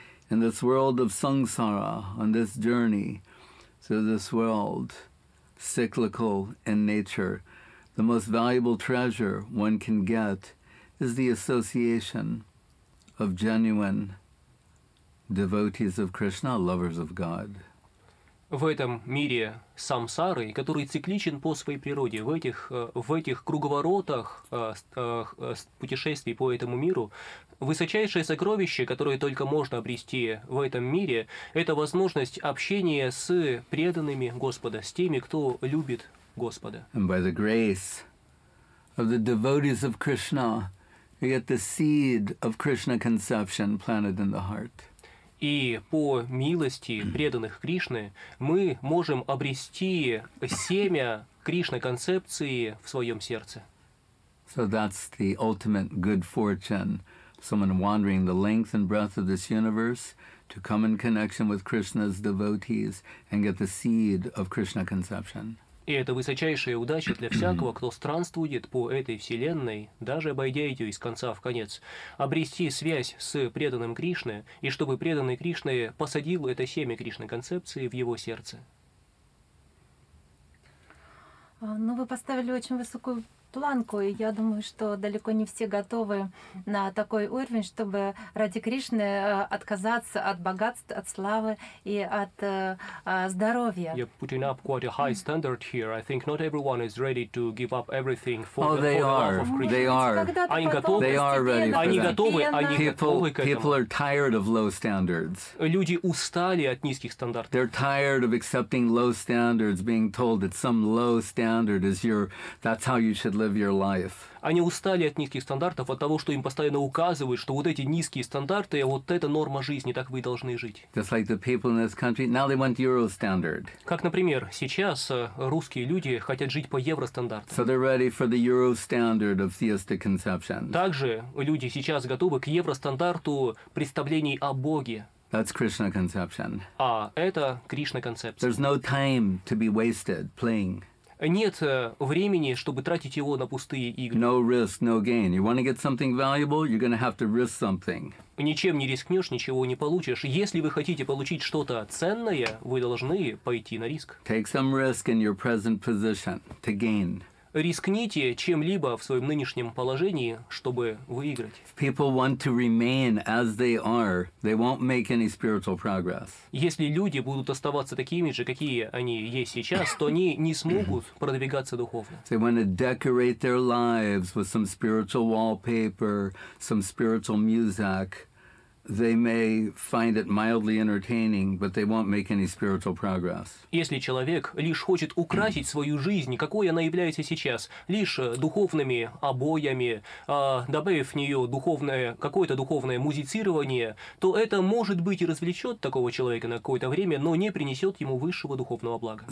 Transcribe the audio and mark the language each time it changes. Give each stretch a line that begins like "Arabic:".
English: In this world of samsara, on this journey through this world, cyclical in nature, the most valuable treasure one can get is the association of genuine devotees of Krishna, lovers of God.
Russian: В этом мире самсары, который цикличен по своей природе, в этих круговоротах путешествий по этому миру, высочайшее сокровище, которое только можно обрести в этом мире, это возможность общения с преданными Господа, с теми, кто любит Господа.
English: And by the grace of the devotees of Krishna, you get the seed of Krishna conception planted in the heart.
Russian: И по милости преданных Кришны мы можем обрести семя Кришна-концепции в своем сердце.
English: So that's the ultimate good fortune. Someone wandering the length and breadth of this universe to come in connection with Krishna's devotees and get the seed of Krishna conception.
Russian: И это высочайшая удача для всякого, кто странствует по этой вселенной, даже обойдя ее из конца в конец, обрести связь с преданным Кришны, и чтобы преданный Кришна посадил это семя Кришна-концепции в его сердце. Ну, вы поставили очень высокую планку, и я думаю, что далеко не все готовы на такой уровень, чтобы ради Кришны отказаться от богатств, от славы и от здоровья.
English: You're putting up quite a high standard here. I think not everyone is ready to give up everything for the love of Krishna. They are.
Russian: Они готовы.
English: They are ready.
Russian: Они готовы. Они готовы к этому.
English: People are tired of low standards.
Russian: Люди устали от низких стандартов.
English: They're tired of accepting low standards, being told that some low standard is your. That's how you should live your life.
Russian: Они устали от низких стандартов, от того, что им постоянно указывают, что вот эти низкие стандарты, вот это норма жизни, так вы и должны жить.
English: Just like the people in this country, now they want Euro standard.
Russian: Как, например, сейчас русские люди хотят жить по евростандартам.
English: So they're ready for the Euro standard of theistic conception.
Russian: Также люди сейчас готовы к евростандарту представлений о Боге.
English: That's Krishna conception.
Russian: А это Кришна концепция.
English: There's no time to be wasted playing.
Russian: нет времени, чтобы тратить его на пустые игры.
English: No risk, no gain. You want to get something valuable, you're going to have to risk something.
Russian: Ничем не рискнешь, ничего не получишь. Если вы хотите получить что-то ценное, вы должны пойти на риск.
English: Take some risk in your present position to gain.
Russian: Рискните чем-либо в своем нынешнем положении, чтобы выиграть.
English: If people want to remain as they are, they won't make any spiritual progress.
Russian: Если люди будут оставаться такими же, какие они есть сейчас, то они не смогут продвигаться духовно.
English: They want to decorate their lives with some spiritual wallpaper, some spiritual music. They may find it mildly entertaining, but they won't make any spiritual progress.
Russian: Если человек лишь хочет украсить свою жизнь, какой она является сейчас, лишь духовными обоями, добавив в нее духовное, какое-то духовное музицирование, то это может быть и развлечет такого человека на какое-то время, но не принесет ему высшего духовного блага.